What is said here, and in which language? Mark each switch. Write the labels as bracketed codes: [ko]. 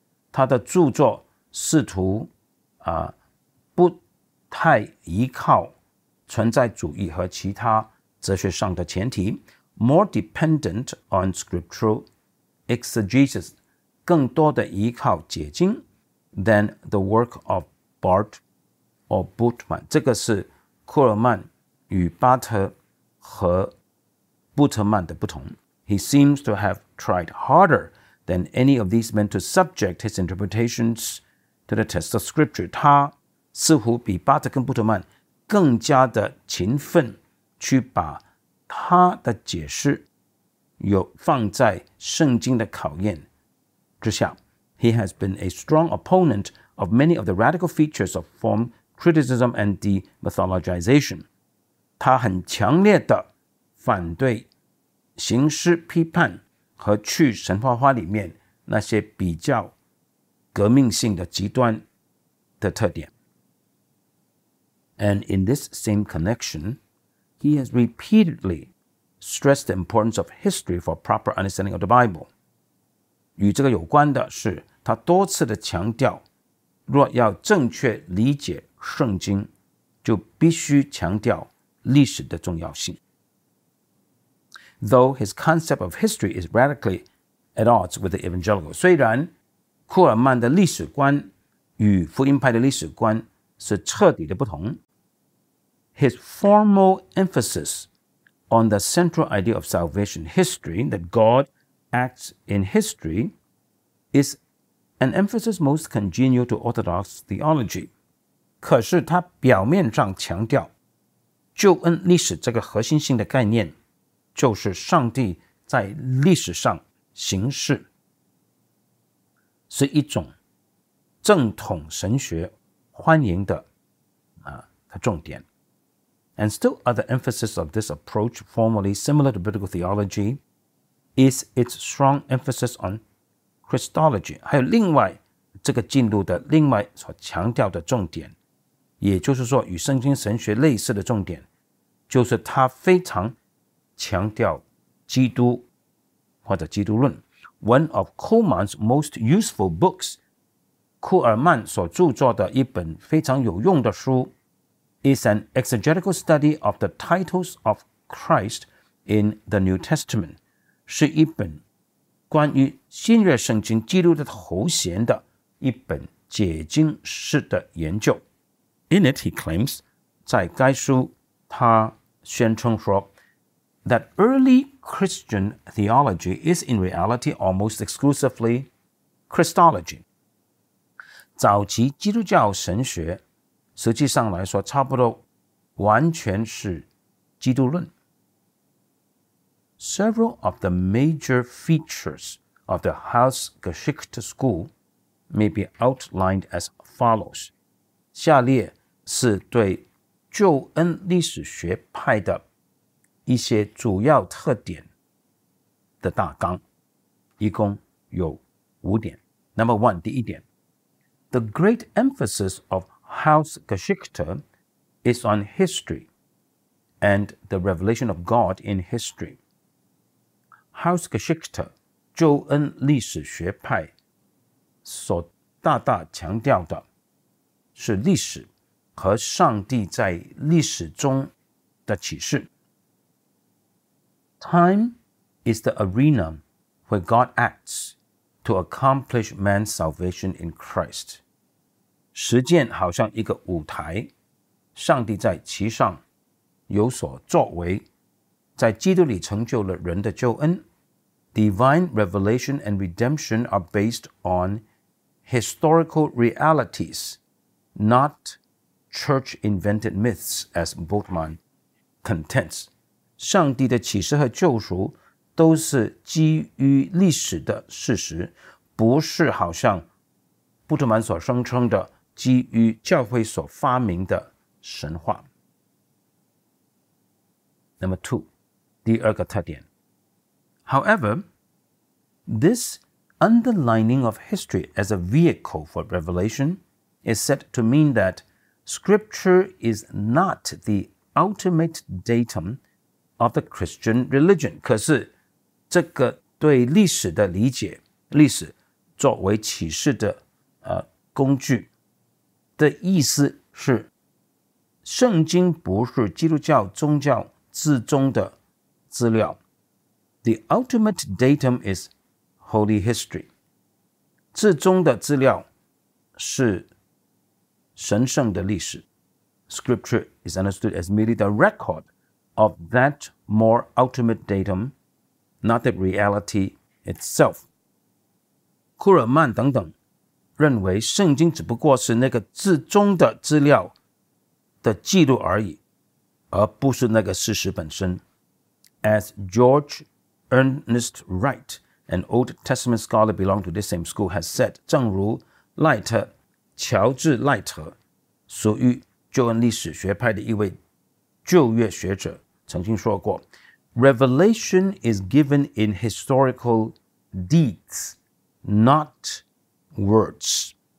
[zh] 他的著作试图不太依靠存在主义和其他哲学上的前提， [en] more dependent on scriptural exegesis, [zh] 更多的依靠解经 [en] than the work of Barth or Bultmann. [zh] 这个是库尔曼与巴特和布特曼的不同。 [en] He seems to have tried harder than any of these men to subject his interpretations to the test of scripture. [zh] 他似乎比巴特跟布特曼更加的勤奋去把他的解释有放在圣经的考验之下。 [en] He has been a strong opponent of many of the radical features of form criticism and demythologization. [zh] 他很强烈的反对形式批判和去神话化里面那些比较革命性的极端的特点。 [en] And in this same connection, he has repeatedly stressed the importance of history for proper understanding of the Bible. [zh] 与这个有关的是，他多次的强调，若要正确理解圣经，就必须强调历史的重要性。 [en] Though his concept of history is radically at odds with the evangelical, [zh] 虽然库尔曼的历史观与福音派的历史观是彻底的不同。 [en] His formal emphasis on the central idea of salvation history, that God acts in history, is an emphasis most congenial to Orthodox theology. [zh] 可是他表面上强调救恩历史这个核心性的概念就是上帝在历史上行事，是一种正统神学欢迎的的重点。 [en] And still other emphasis of this approach, formerly similar to biblical theology, is its strong emphasis on Christology. [zh] 还有另外这个进度的另外所强调的重点，也就是说与圣经神学类似的重点，就是它非常强调基督或者基督论。 [en] One of Kuhlmann's most useful books, [zh] 库尔曼所著作的一本非常有用的书 [en] is an exegetical study of the titles of Christ in the New Testament, [zh] 是一本关于新约圣经基督的头衔的一本解经式的研究。 [en] In it, he claims, [zh] 在该书他宣称说 [en] that early Christian theology is in reality almost exclusively Christology. [zh] 早期基督教神学实际上来说差不多完全是基督论。 [en] Several of the major features of the Hausgeschichte school may be outlined as follows. [zh] 下列是对旧恩历史学派的一些主要特点的大纲，一共有五点。 [en] Number one, [zh] 第一点。 [en] The great emphasis of Hausgeschichte is on history and the revelation of God in history. [zh] Hausgeschichte, 旧恩历史学派所大大强调的是历史和上帝在历史中的启示。 [en] Time is the arena where God acts to accomplish man's salvation in Christ. [zh] 时间好像一个舞台，上帝在其上有所作为，在基督里成就了人的救恩。 [en] Divine revelation and redemption are based on historical realities, not church-invented myths, as Bultmann contends. [zh] 上帝的启示和救赎都是基于历史的事实，不是好像布特曼所声称的基于教会所发明的神话。 [en] Number two, [zh] 第二个特点。 [en] However, this underlining of history as a vehicle for revelation is said to mean that scripture is not the ultimate datumof the Christian religion. [zh] 可是这个对历史的理解，历史作为启示的工具的意思是圣经不是基督教宗教至终的资料。 [en] The ultimate datum is holy history. [zh] 至终的资料是神圣的历史。 [en] Scripture is understood as merely the record of thatmore ultimate datum, not the reality itself. [zh] 库尔曼等等认为圣经只不过是那个至终的资料的记录而已，而不是那个事实本身。 [en] As George Ernest Wright, an Old Testament scholar belonging to this same school, has said, [zh] 正如赖特，乔治·赖特，属于旧恩历史学派的一位旧约学者曾经说过， [en] Revelation is given in historical deeds, not words.